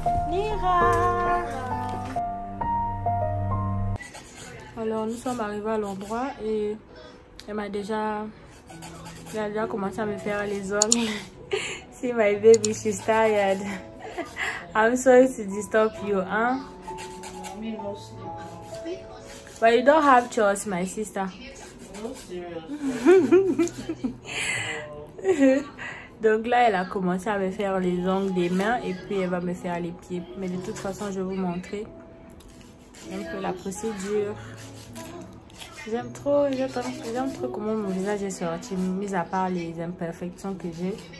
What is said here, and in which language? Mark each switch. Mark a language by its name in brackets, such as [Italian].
[French] Nira! Alors, nous sommes arrivés à l'endroit et elle a déjà commencé à me faire les ongles. [English] Si my baby, she's tired. I'm sorry to disturb you, hein? But you don't have choice, my sister. [French] Donc là, elle a commencé à me faire les ongles des mains et puis elle va me faire les pieds. Mais de toute façon, je vais vous montrer un peu la procédure. J'aime trop comment mon visage est sorti, mis à part les imperfections que j'ai.